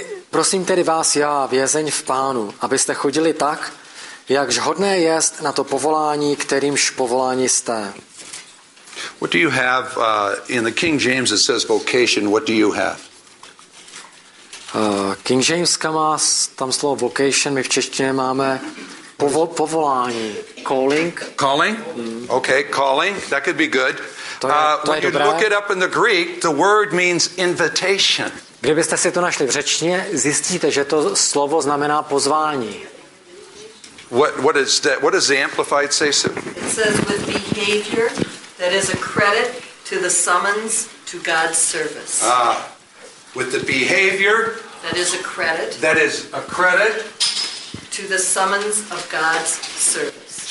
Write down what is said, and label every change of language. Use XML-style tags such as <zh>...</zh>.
<cs>Prosím tedy vás, já vězeň v Pánu, abyste chodili tak, jakž hodné jest na to povolání, kterýmž povolání jste.</cs> <en>What do you have in the King James it says vocation, what do you have?</en> <cs>King James má tam slovo vocation, my v češtině máme povolání, calling.</cs> <en>Okay, calling, that could be good. When you look it up in the Greek, the word means invitation.</en> <cs>Kdybyste si to našli v řečtině, zjistíte, že to slovo znamená pozvání.</cs> <en>What does the amplified say? It says with behavior that is a credit to the summons to God's service. With the behavior that is a credit. That is a credit to the summons of God's service.</en>